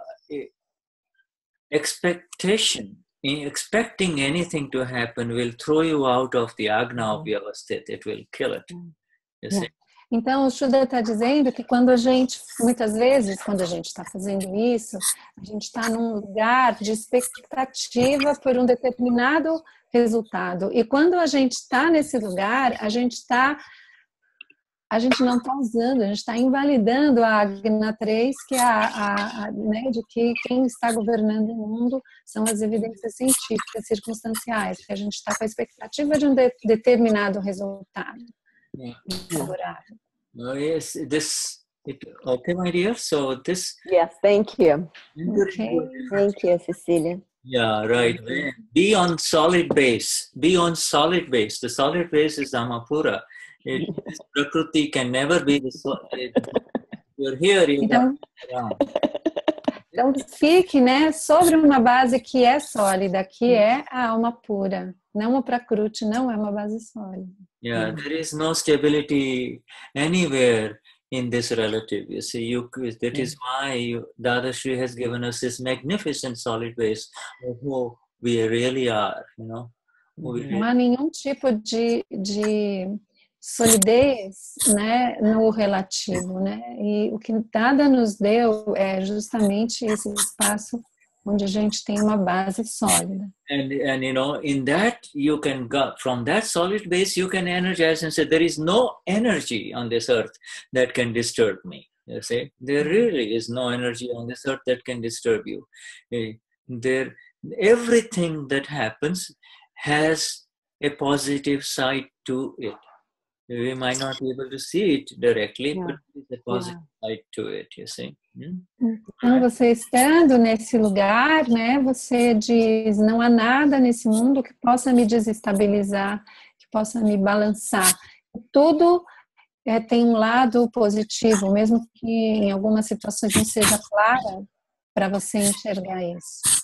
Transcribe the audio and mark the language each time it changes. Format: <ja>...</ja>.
<en>This expectation. Expecting anything to happen will throw you out of the agna of your state. It will kill it.</en> <pt>Então, o Shuddha está dizendo que quando a gente, muitas vezes, quando a gente está fazendo isso, a gente está num lugar de expectativa por um determinado resultado. E quando a gente está nesse lugar, a gente não está usando, a gente está invalidando a Agna 3, que é a de que quem está governando o mundo são as evidências científicas circunstanciais, que a gente está com a expectativa de um determinado resultado.</pt> <en>Yeah. Oh, yes, this, it, okay, my dear, so this... Yeah, thank you. Okay. Thank you, Cecilia. Yeah, right. Be on solid base. Be on solid base. The solid base is Amapura. This prakriti can never be the soul. You're here, you</en> <pt>então, got... Então, fique, né, sobre uma base que é sólida, que é a alma pura. Não o prakriti, não é uma base sólida.</pt> <en>Yeah, there is no stability anywhere in this relative. You see, that is why Dadashri has given us this magnificent solid base of who we really are, you know.</en> <pt>Não há nenhum tipo de solidez, né, no relativo, né? E o que Dada nos deu é justamente esse espaço onde a gente tem uma base sólida.</pt> <en>And you know, in that you can go from that solid base, you can energize and say there is no energy on this earth that can disturb me. You see, there really is no energy on this earth that can disturb you. There, everything that happens has a positive side to it. We might not be able to see it directly, but it's a positive light to it, you see.</en> <pt>Então, você estando nesse lugar, né, você diz, não há nada nesse mundo que possa me desestabilizar, que possa me balançar. Tudo tem um lado positivo, mesmo que em algumas situações não seja clara para você enxergar isso.</pt>